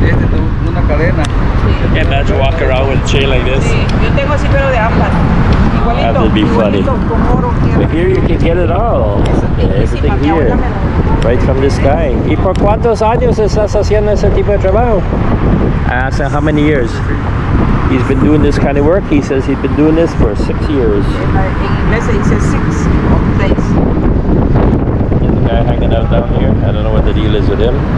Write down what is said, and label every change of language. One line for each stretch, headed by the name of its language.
English: Can't imagine walking around with a chain like this. That would be funny. But here you can get it all. Everything here. Right from this guy.
Spanish: ¿Y por cuántos años estás haciendo ese tipo de trabajo?
English: I asked him how many years. He's been doing this kind of work. He says he's been doing this for 6 years. There's a guy hanging out down here. I don't know what the deal is with him.